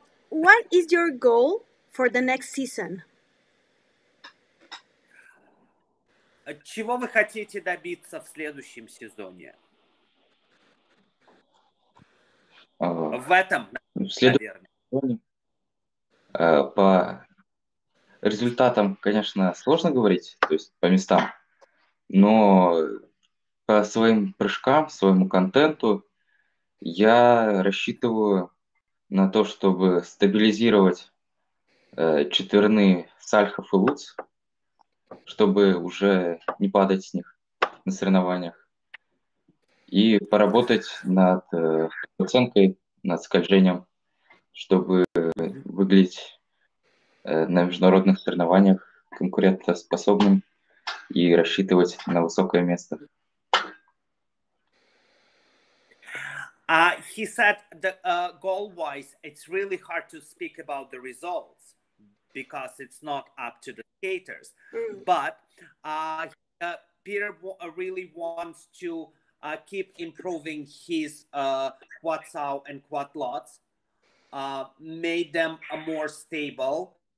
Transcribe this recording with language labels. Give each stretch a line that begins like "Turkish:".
English: What is your goal for the next season?
Russian: Чего вы хотите добиться в следующем сезоне? В этом, наверное. По результатам, конечно, сложно говорить, то есть по местам, но по своим прыжкам, своему контенту я рассчитываю на то, чтобы стабилизировать четверные сальхов и лутц, чтобы уже не падать с них на соревнованиях, и поработать над оценкой, над скольжением, чтобы выглядеть на международных соревнованиях конкурентоспособным и рассчитывать на высокое место.
English: He said that goal-wise, it's really hard to speak about the results because it's not up to the skaters. But Peter really wants to keep improving his quad sal and quad lots, made them more stable.